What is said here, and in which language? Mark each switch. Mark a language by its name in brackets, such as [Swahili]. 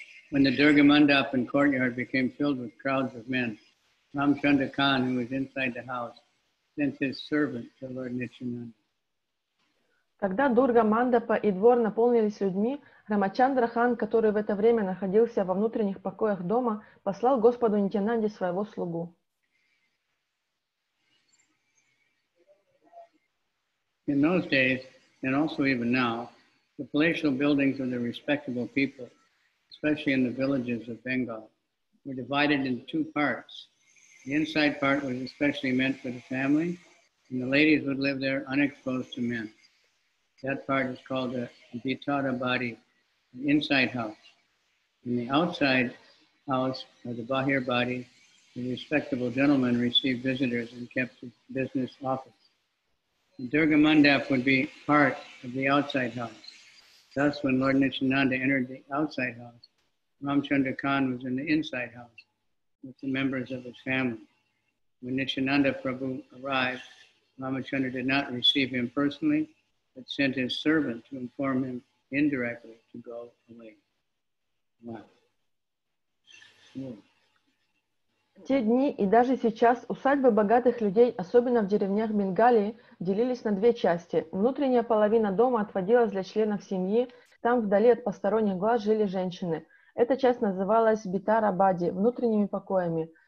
[English] When the Durga Mandap and courtyard became filled with crowds of men, Рамачандра Khan, who was inside the house, sent his servant to Lord Nityananda. [Russian] Когда Дурга Мандапа и двор наполнились людьми, Рамачандра Хан, который в это время находился во внутренних покоях дома, послал Господу Нитьянанде своего слугу. [English] In those days, and also even now, the palatial buildings of the respectable people, especially in the villages of Bengal, were divided into two parts. The inside part was especially meant for the family, and the ladies would live there unexposed to men. That part is called a vitara body, an inside house. In the outside house, or the bahir body, the respectable gentlemen received visitors and kept the business office. The Durga Mandap would be part of the outside house. Thus, when Lord Nityananda entered the outside house, Ramchandra Khan was in the inside house with the members of his family. When Nityananda Prabhu arrived, Ramchandra did not receive him personally, that sent his servant to inform him indirectly to go away. Wow. [Russian] Те дни и даже сейчас усадьбы богатых людей, особенно в деревнях Бенгалии, делились на две части. Внутренняя половина дома отводилась для членов семьи. Там, вдали от посторонних глаз, жили женщины. Эта часть называлась битара-бади, внутренними покоями.